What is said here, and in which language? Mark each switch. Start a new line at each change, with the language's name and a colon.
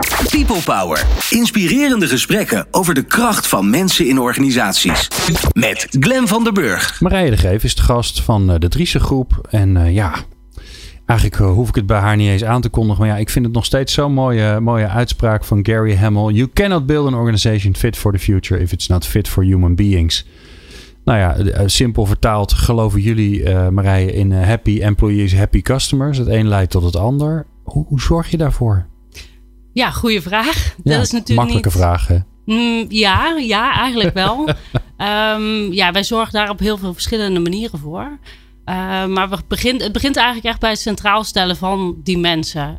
Dutch: People Power. Inspirerende gesprekken over de kracht van mensen in organisaties. Met Glenn van der Burg. Marije de Greef is de gast van de Driesen Groep. En eigenlijk hoef ik het bij haar niet eens aan te kondigen. Maar ik vind het nog steeds zo'n mooie uitspraak van Gary Hamel.
English: You cannot build an organization fit for the future if it's not fit for human beings.
Dutch: Simpel vertaald, geloven jullie, Marije, in
English: happy employees, happy customers.
Dutch: Het een leidt tot het ander. Hoe zorg je daarvoor? Ja, goede vraag. Ja, dat is natuurlijk makkelijke niet... vraag, hè? Ja, eigenlijk wel. Ja, wij zorgen daar op heel veel verschillende manieren voor. Maar het begint eigenlijk echt bij het centraal stellen van die mensen.